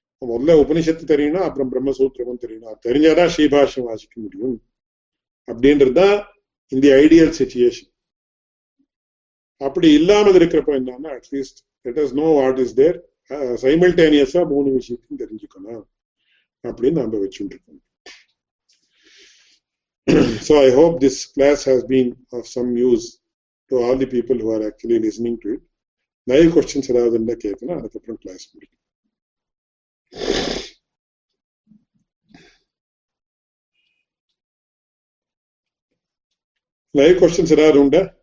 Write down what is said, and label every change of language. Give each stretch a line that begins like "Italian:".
Tamil: முதல்ல உபனிஷத்து தெரியணும், அப்புறம் பிரம்மசூத்திரமும் தெரியணும். அது தெரிஞ்சாதான் ஸ்ரீபாஷ்யம் வாசிக்க முடியும் அப்படின்றதுதான் இந்த ஐடியல் சிச்சுவேஷன். அப்படி இல்லாமல் இருக்கிறப்போ என்னன்னா
English: at least let us know what is there,
Tamil: சைமல்டேனியஸா 3 விஷயத்தையும் தெரிஞ்சுக்கணும் அப்படின்னு நாம வச்சுருக்கோம்.
English: So I hope this class has been of some use to all the people who are actually listening to it.
Tamil: நிறைய questions ஏதாவது இருந்தா கேட்கலாம், அதுக்கப்புறம் கிளாஸ் முடியும். நிறைய questions ஏதாவது உண்டா?